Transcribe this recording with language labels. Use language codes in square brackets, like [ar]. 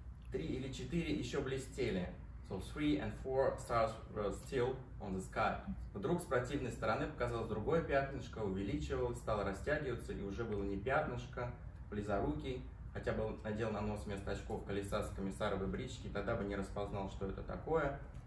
[ru] Три или четыре еще блестели. [en] So three and four stars were still on the sky. [ru] Вдруг с противной стороны показалось другое пятнышко, увеличивалось, стало растягиваться, и уже было не пятнышко, близорукий. Хотя бы надел на нос вместо очков колеса с комиссаровой брички, тогда бы не распознал, что это такое.